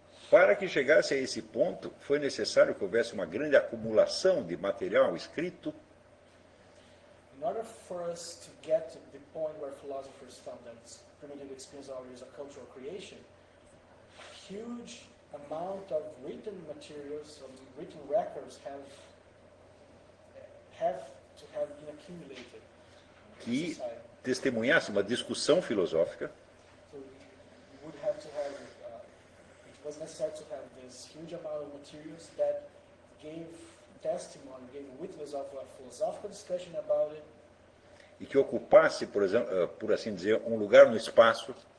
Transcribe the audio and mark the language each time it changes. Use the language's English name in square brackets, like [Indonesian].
[Portuguese] Para que chegasse a esse ponto, foi necessário que houvesse uma grande acumulação de material escrito. [English] In order for us to get to the point where philosophers found that this primitive experience of order is a cultural creation, huge amount of written materials, of written records have to have been accumulated. [Portuguese] Que testemunhasse uma discussão filosófica. [English] So we would have to have, it was necessary to have this huge amount of materials that gave testimony, gave witness of a philosophical discussion about it. [Portuguese] E que ocupasse, por exemplo, por assim dizer, um lugar no espaço.